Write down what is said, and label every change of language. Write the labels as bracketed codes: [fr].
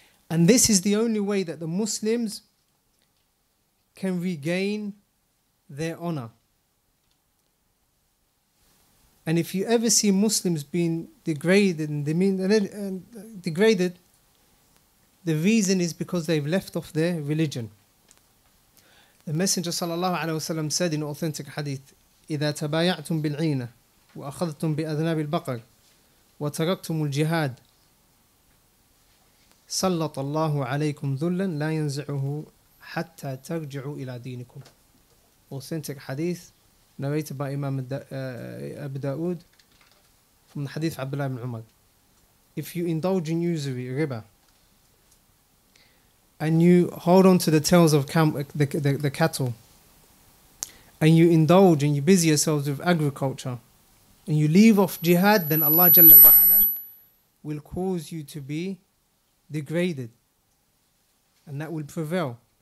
[en] And this is the only way that the Muslims can regain their honor. And if you ever see Muslims being degraded and degraded, the reason is because they've left off their religion. The Messenger sallallahu alaihi wasallam said in authentic hadith, [ar] إِذَا تَبَايَعْتُمْ بِالْعِينَ وَأَخَذْتُمْ بِأَذْنَابِ الْبَقَرِ وَتَرَكْتُمُ الْجِهَادِ سَلَّطَ اللَّهُ عَلَيْكُمْ ذُلًّا لَا يَنْزِعُهُ حَتَّى تَرْجِعُوا إِلَى دِينِكُمْ. [en] Authentic hadith narrated by Imam Abu Dawood from the hadith of Abdullah ibn Umar. If you indulge in usury, riba, and you hold on to the tails of the cattle, and you indulge and you busy yourselves with agriculture, and you leave off jihad, then Allah Jalla wa Ala will cause you to be degraded, and that will prevail.